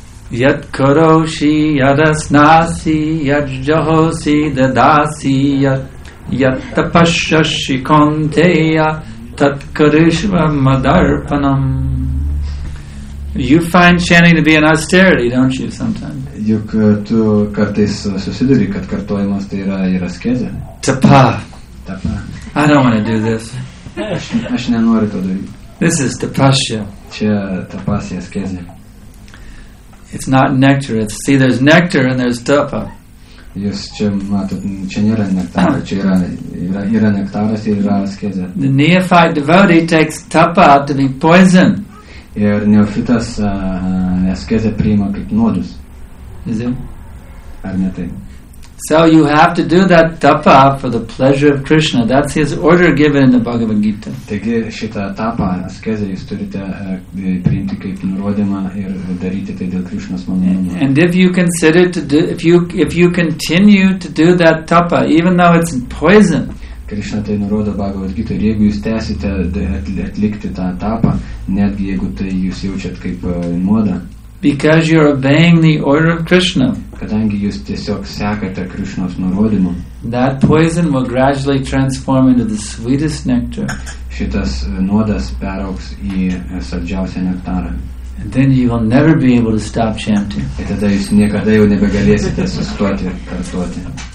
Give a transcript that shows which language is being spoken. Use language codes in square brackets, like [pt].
[sa] Yat karoshi yadasnasi yat jahosi dadasi yat tapashashi kanteya tat karishva madarpanam. [en] You find chanting to be an austerity, don't you, sometimes? [lt] Juk tu kartais susiduri, kad kartojimas tai yra ir askezė. [sa] Tapa. Tapa. [en] I don't want to do this. [lt] Aš nenoriu to daryti. [en] This is tapasya. [lt] Čia tapasya askezė. [en] It's not nectar. It's, see, there's nectar and there's tapa. [lt] Jūs čia matot, čia nėra nektaras, čia yra nektaras ir yra askezė. [en] The neophyte devotee takes tapa to be poison. [lt] Ir neofitas askezė priima kaip nuodus. [en] Is it? [lt] Ar ne taip? [en] So you have to do that tapa for the pleasure of Krishna. That's his order given in the Bhagavad Gita. [lt] Taigi šitą tapą, askezę, jūs turite priimti kaip nurodymą ir daryti tai dėl Krishnos malonumo. [en] And if you consider to do, if you continue to do that tapa, even though it's poison. [lt] Krishna tai nurodo Bhagavad Gita, ir jeigu jūs tęsite atlikti tą tapą, netgi jeigu tai jūs jaučiat kaip nuodą. [en] Because you're obeying the order of Krishna. [lt] Kadangi jūs tiesiog sekate Krishnos nurodymu. [en] That poison will gradually transform into the sweetest nectar. [lt] Šitas nuodas peraugs į saldžiausią nektarą. [en] And then you will never be able to stop chanting. [lt] Ir tada jūs niekada jau nebegalėsite sustoti ir kartuoti.